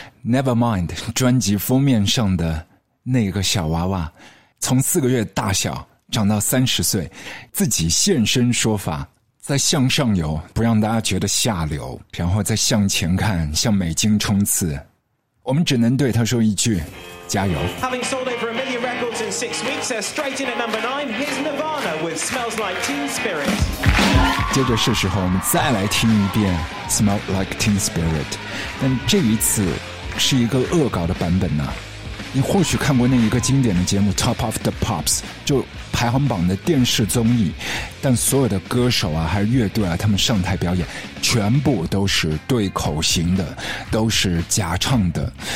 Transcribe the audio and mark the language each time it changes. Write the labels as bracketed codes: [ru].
[zh] Nevermind 专辑封面上的那个小娃娃，从四个月大小长到30岁，自己现身说法，在向上游不让大家觉得下流，然后再向前看，向美金冲刺。我们只能对他说一句加油。 [en] Having sold over $1 million records in 6 weeks, they're straight in at number 9. Here's Nirvana with Smells Like Teen Spirit. [zh] 接着是时候我们再来听一遍 Smells Like Teen Spirit， 但这一次是一个恶搞的版本呢、啊。你或许看过那一个经典的节目 Top of the Pops， 就排行榜的电视综艺，但所有的歌手啊，还是乐队啊，他们上台表演全部都是对口型的，都是假唱的。